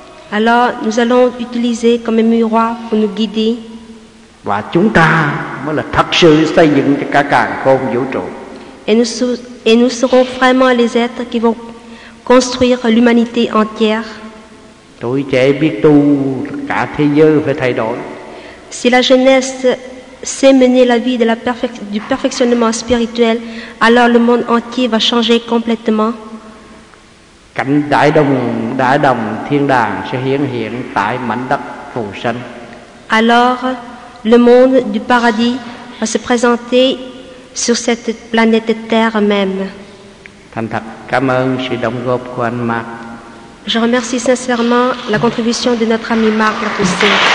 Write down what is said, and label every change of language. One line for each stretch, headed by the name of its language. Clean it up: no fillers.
French: Alors nous allons utiliser comme un miroir pour nous guider.
Vietnamese: Và chúng ta mới là thật sự xây dựng cho cả càn khôn vũ trụ.
French: Et nous serons vraiment les êtres qui vont construire l'humanité entière.
Vietnamese: Tuổi trẻ biết tu, cả thế giới phải thay đổi.
French: Si la jeunesse sait mener la vie de la du perfectionnement spirituel, alors le monde entier va changer complètement.
Vietnamese: cảnh đại đồng thiên đàng sẽ hiển hiện tại mảnh đất phù sanh.
French: Alors le monde du paradis va se présenter sur cette planète Terre même.
Vietnamese: Thành thật cảm ơn sự đóng góp của anh Mark.
French: Je remercie sincèrement la contribution de notre ami Marc Lacoste.